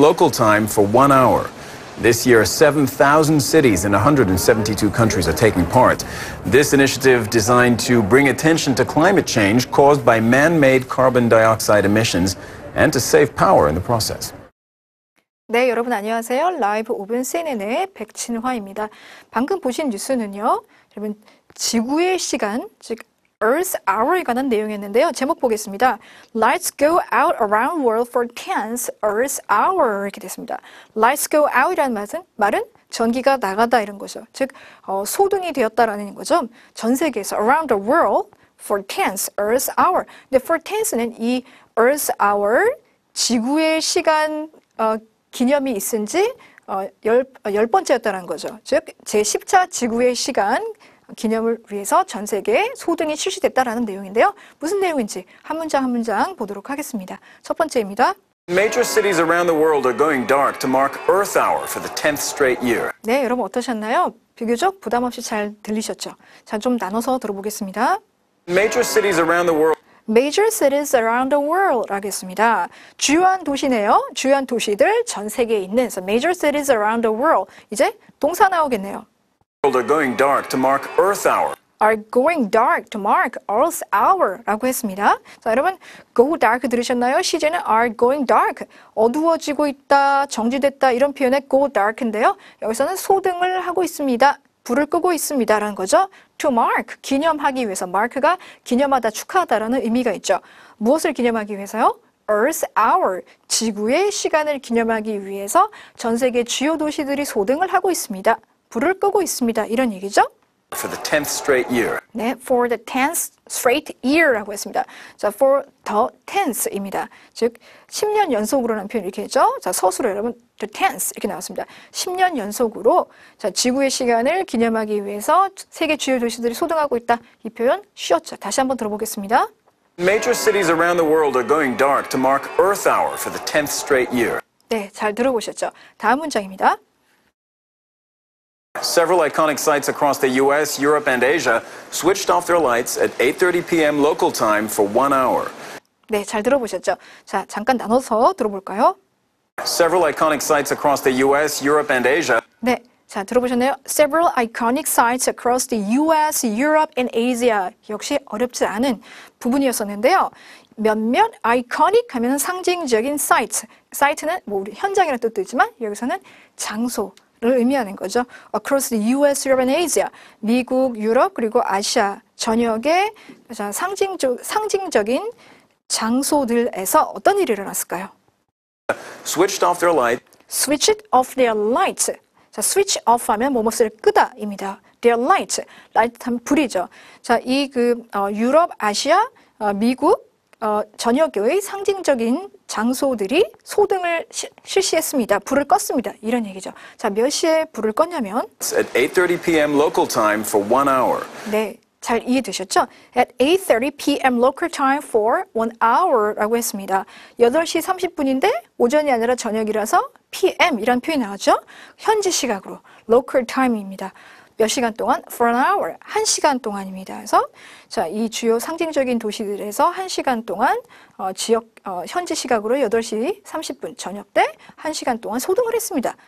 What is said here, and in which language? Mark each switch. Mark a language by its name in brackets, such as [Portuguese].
[English] local time for 1 hour. This year, 7,000 cities in 172 countries are taking part. This initiative, designed to bring attention to climate change caused by man-made carbon dioxide emissions and to save power in the process. [Korean] 네, 여러분 안녕하세요. 라이브 5분 CNN의 백진화입니다. 방금 보신 뉴스는요, 여러분 지구의 시간, 즉 Earth Hour에 관한 내용이었는데요. 제목 보겠습니다. [English] Lights go out around world for 10th Earth Hour [Korean] 이렇게 됐습니다. [English] Lights go out [Korean] 이라는 말은 전기가 나가다 이런 거죠. 즉 소등이 되었다라는 거죠. 전 세계에서 [English] around the world for 10th Earth Hour. [Korean] 근데 [English] for 10th [Korean] 는 이 Earth Hour 지구의 시간 기념이 있은 지 열 번째였다는 거죠. 즉 제10차 지구의 시간 기념을 위해서 전 세계에 소등이 실시됐다라는 내용인데요. 무슨 내용인지 한 문장 한 문장 보도록 하겠습니다. 첫 번째입니다. [English] Major cities around the world are going dark to mark Earth Hour for the 10th straight year. [Korean] 네, 여러분 어떠셨나요? 비교적 부담 없이 잘 들리셨죠? 자, 좀 나눠서 들어보겠습니다. [English] Major cities around the world. Major cities around the world [Korean] 하겠습니다. 주요한 도시네요. 주요한 도시들 전 세계에 있는 [English] so major cities around the world. [Korean] 이제 동사 나오겠네요. [English] Are going dark to mark Earth Hour. Are going dark to mark Earth Hour [Korean] 라고 했습니다. 자, 여러분 go dark 들으셨나요? [English] 시제는 are going dark. [Korean] 어두워지고 있다, 정지됐다 이런 표현의 go dark인데요. 여기서는 소등을 하고 있습니다. 불을 끄고 있습니다 라는 거죠. [English] To mark, [Korean] 기념하기 위해서. mark가 기념하다, 축하하다라는 의미가 있죠. 무엇을 기념하기 위해서요? Earth Hour, 지구의 시간을 기념하기 위해서 전 세계 주요 도시들이 소등을 하고 있습니다. 불을 끄고 있습니다. 이런 얘기죠. [English] For the 10th straight year. 네, for the 10th straight year [Korean] 라고 했습니다. [English] 자, for the 10th 입니다. [Korean] 즉, 10년 연속으로라는 표현 이렇게 했죠. 자, 서술로 여러분, [English] the 10th [Korean] 이렇게 나왔습니다. 10년 연속으로 자, 지구의 시간을 기념하기 위해서 세계 주요 도시들이 소등하고 있다. 이 표현 쉬었죠. 다시 한번 들어보겠습니다. [English] Major cities around the world are going dark to mark Earth Hour for the 10th straight year. [Korean] 네, 잘 들어보셨죠. 다음 문장입니다. [English] Several iconic sites across the U.S., Europe, and Asia switched off their lights at 8:30 p.m. local time for 1 hour. [Korean] 네, 잘 들어보셨죠? 자, 잠깐 나눠서 들어볼까요? [English] Several iconic sites across the U.S., Europe, and Asia. [Korean] 네, 자, 들어보셨나요? [English] Several iconic sites across the U.S., Europe, and Asia. [Korean] 역시 어렵지 않은 부분이었었는데요. 몇몇 iconic 하면 상징적인 sites. Site는 뭐 우리 현장이라는 뜻도 있지만 여기서는 장소. 를 의미하는 거죠. [English] Across the U.S., Europe, and Asia. [Korean] 미국, 유럽, 그리고 아시아 전역의 상징적인 장소들에서 어떤 일이 일어났을까요? [English] Switched off their lights. Switched off their lights. [Korean] 자, [English] switch off [Korean] 하면 뭐뭐를 끄다입니다. [English] Their lights. [Korean] Light 하면 불이죠. 자, 이 그 유럽, 아시아, 미국 전역의 상징적인 장소들이 소등을 실시했습니다. 불을 껐습니다. 이런 얘기죠. 자, 몇 시에 불을 껐냐면 [English] It's at 8:30 p.m. local time for 1 hour. [Korean] 네, 잘 이해되셨죠? [English] At 8:30 p.m. local time for 1 hour [Korean] 라고 했습니다. 8시 30분인데 오전이 아니라 저녁이라서 p.m. 이런 표현이 나왔죠? 현지 시각으로 [English] local time [Korean] 입니다. 몇 시간 동안? [English] For an hour. [Korean] 한 시간 동안입니다. 그래서 자, 이 주요 상징적인 도시들에서 한 시간 동안 지역 현지 시각으로 8시 30분 저녁 때 한 시간 동안 소등을 했습니다.